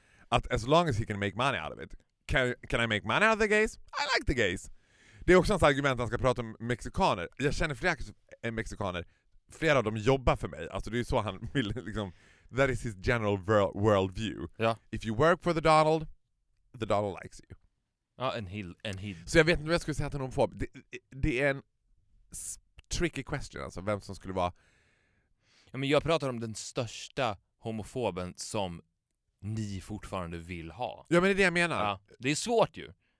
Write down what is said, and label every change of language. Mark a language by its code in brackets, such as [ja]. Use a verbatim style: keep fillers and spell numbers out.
[en] Att as long as he can make money out of it. Can, can I make money out of the gays? I like the gays. [sv] Det är också ett argument att han ska prata om mexikaner. Jag känner flera mexikaner. Flera av dem jobbar för mig. Alltså det är ju så han vill liksom... [en] That is his general world view. [sv] Ja. [en] If you work for the Donald, the Donald likes you. Ja, and he'll... And he'll. [sv] Så jag vet inte vad jag skulle säga till någon form. Det, det är en tricky question, alltså vem som skulle vara... Ja, men jag pratar om den största homofoben som ni fortfarande vill ha. Ja, men det är det jag menar. Ja, det är svårt ju.